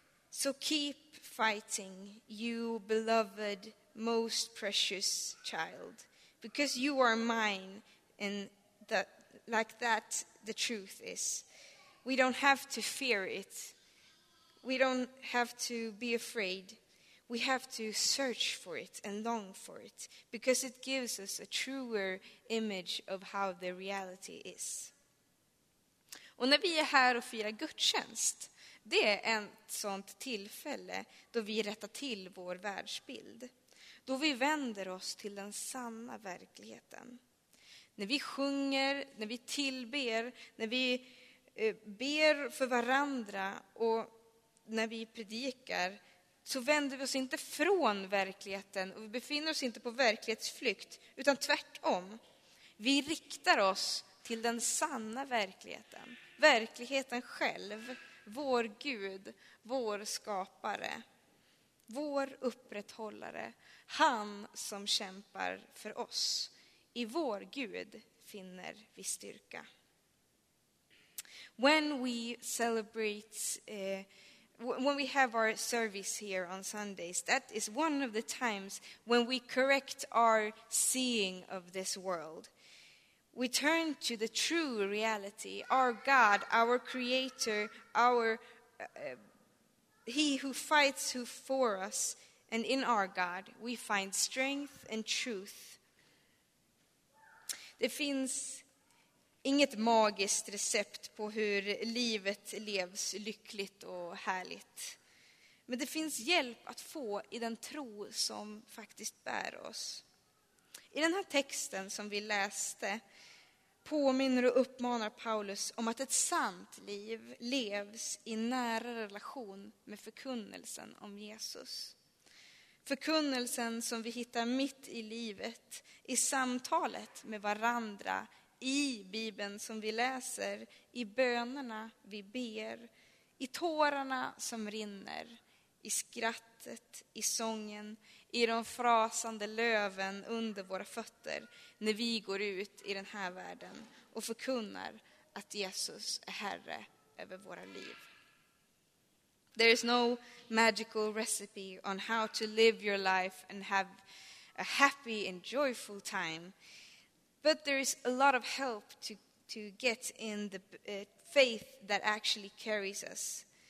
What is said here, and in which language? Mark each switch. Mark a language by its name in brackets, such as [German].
[English] So keep fighting, you beloved, most precious child, because you are mine, and that, like that, the truth is. We don't have to fear it. We don't have to be afraid. We have to search for it and long for it because it gives us a truer image of how the reality is. [Swedish] Och när vi är här och firar gudstjänst, det är ett sånt tillfälle då vi rättar till vår världsbild. Då vi vänder oss till den sanna verkligheten. När vi sjunger, när vi tillber, när vi ber för varandra och när vi predikar så vänder vi oss inte från verkligheten och vi befinner oss inte på verklighetsflykt utan tvärtom. Vi riktar oss till den sanna verkligheten. Verkligheten själv, vår Gud, vår skapare, vår upprätthållare, han som kämpar för oss. I vår Gud finner vi styrka. [English] When we celebrate, when we have our service here on Sundays, that is one of the times when we correct our seeing of this world. We turn to the true reality, our God, our Creator, our He who fights who for us, and in our God we find strength and truth. [Swedish] Det finns inget magiskt recept på hur livet levs lyckligt och härligt. Men det finns hjälp att få i den tro som faktiskt bär oss. I den här texten som vi läste påminner och uppmanar Paulus om att ett sant liv levs i nära relation med förkunnelsen om Jesus. Förkunnelsen som vi hittar mitt i livet, i samtalet med varandra, i Bibeln som vi läser, i bönerna vi ber, i tårarna som rinner, i skrattet, i sången, i de frasande löven under våra fötter när vi går ut i den här världen och förkunnar att Jesus är Herre över våra liv. [English] There is no magical recipe on how to live your life and have a happy and joyful time. But there is a lot of help to get in the faith that actually carries us.